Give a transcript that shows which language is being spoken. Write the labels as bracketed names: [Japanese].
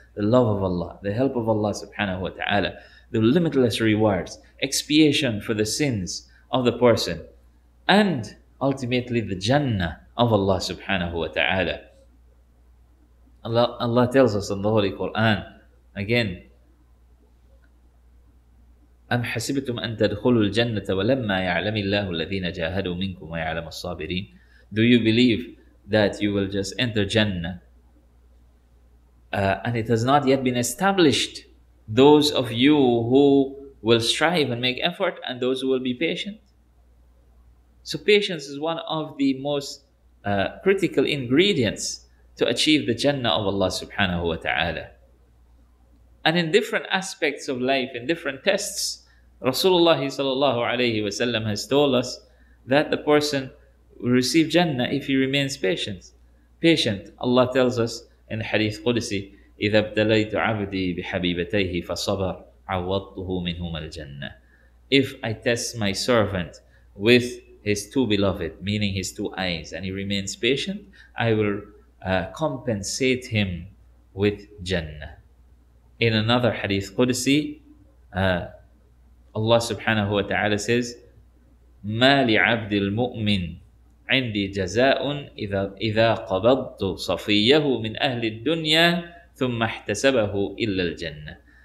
[English] The love of Allah, the help of Allah subhanahu wa ta'ala, the limitless rewards, expiation for the sins of the person, and ultimately the Jannah of Allah subhanahu wa ta'ala. Allah tells us in the Holy Quran, again, [Arabic] أم حسبتم أن تدخلوا الجنة ولما يعلم الله الذين جاهدوا منكم ويعلم الصابرين. [English] Do you believe that you will just enter Jannah? And it has not yet been established. Those of you who will strive and make effort and those who will be patient. So patience is one of the most critical ingredients to achieve the Jannah of Allah subhanahu wa ta'ala. And in different aspects of life, in different tests, Rasulullah sallallahu alayhi wa sallam has told us that the person will receive Jannah if he remains patient. Patient, Allah tells us in the Hadith Qudsi, [Arabic] إِذَا ابْتَلَيْتُ عَبْدِي بِحَبِيبَتَيْهِ فَصَبَرْ عَوَضْتُهُ مِنْهُمَ الْجَنَّةِ. [English] If I test my servant with his two beloved, meaning his two eyes, and he remains patient, I will compensate him with Jannah. In another Hadith Qudsi, Allah subhanahu wa ta'ala says, [Arabic] مَا لِعَبْدِ الْمُؤْمِنِ عندي جزاء إذا قبضت صفيه من أهل الدنيا ثم احتسبه إلا الجنة.